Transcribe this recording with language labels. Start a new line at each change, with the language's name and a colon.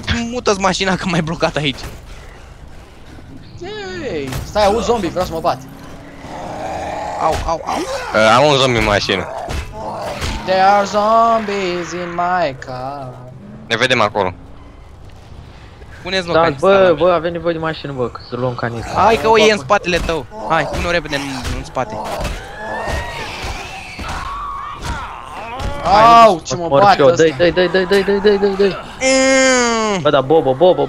Romanian: Mută-ți mașina, că m-ai blocat aici. Hey, stai, auzi zombie, vreau să mă bat. Au. Am un zombie în mașină.
English: There are zombies in my car.
Romanian: Ne vedem acolo. Puneți-mă da, canistă. Bă, avem nevoie de mașină, bă, că să luăm canistă. Hai că o iei în spatele tău. Hai, pune-o repede în spate. Au, ce mă bate ăsta. Dă-i. Bă, da, Bobo.